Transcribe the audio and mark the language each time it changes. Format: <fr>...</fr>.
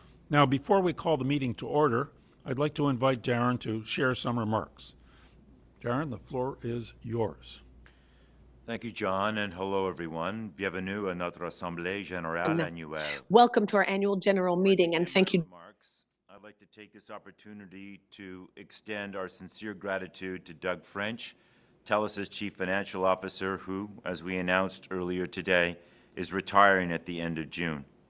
<en>Now, before we call the meeting to order, I'd like to invite Darren to share some remarks. Darren, the floor is yours. Thank you, John, and hello, everyone.</en> <fr>Bienvenue à notre Assemblée Générale Annuelle.</fr> <en>Welcome to our annual general meeting, and thank you. Remarks, I'd like to take this opportunity to extend our sincere gratitude to Doug French, TELUS's Chief Financial Officer, who, as we announced earlier today, is retiring at the end of June.</en>